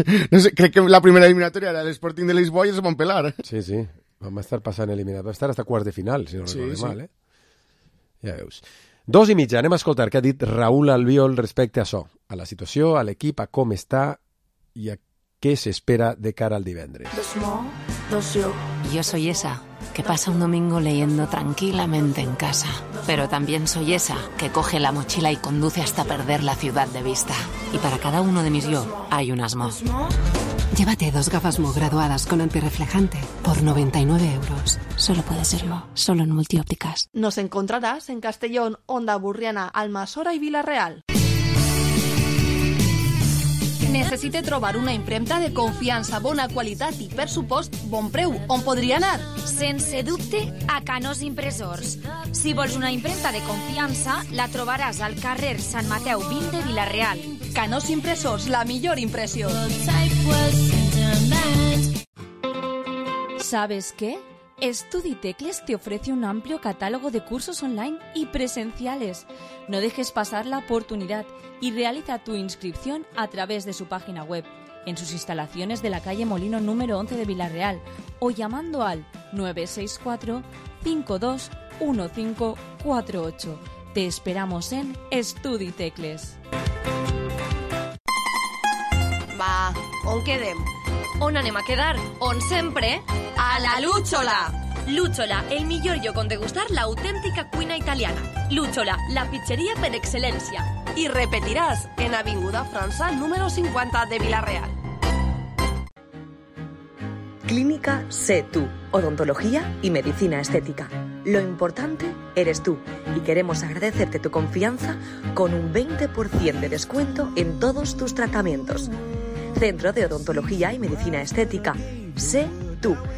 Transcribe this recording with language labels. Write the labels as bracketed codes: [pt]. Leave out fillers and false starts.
[ca] no sé, crec que la primera eliminatòria era l'Sporting de Lisboa i es van pelar. Sí, sí. Vam estar passant eliminat. Vam estar hasta quarts de final, si no recordo mal. Ja veus. Dos i mitja. Anem a escoltar què ha dit Raúl Albiol respecte a això. A la situació, a l'equip, a com està i a què s'espera de cara al divendres. [es] Yo soy esa que pasa un domingo leyendo tranquilamente en casa. Pero también soy esa que coge la mochila y conduce hasta perder la ciudad de vista. Y para cada uno de mis yo hay un Asmo. Llévate dos gafas Mo graduadas con antirreflejante por 99 euros. Solo puede ser Mo, solo en multiópticas. Nos encontrarás en Castellón, Onda Burriana, Almassora y Villarreal. [ca] Necessite trobar una impremta de confiança, bona qualitat i, per supost, bon preu. On podria anar? Sense dubte, a Canós Impressors. Si vols una impremta de confiança, la trobaràs al carrer Sant Mateu 20 de Villarreal. Canós Impressors, la millor impressió. [es] ¿Sabes qué? Estuditecles te ofrece un amplio catálogo de cursos online y presenciales. No dejes pasar la oportunidad y realiza tu inscripción a través de su página web, en sus instalaciones de la calle Molino número 11 de Villarreal o llamando al 964-521548. Te esperamos en Estuditecles. [ca] Va, on quedem? On anem a quedar? On sempre? A la Lúchola. Lúchola, el millor lloc on degustar la autèntica cuina italiana. Lúchola, la pizzeria per excel·lència. I repetiràs en Avinguda França número 50 de Villarreal. [es] Clínica Sé Tú, odontología y medicina estética. Lo importante eres tú y queremos agradecerte tu confianza con un 20% de descuento en todos tus tratamientos. Centro de Odontología y Medicina Estética, Sé Tú.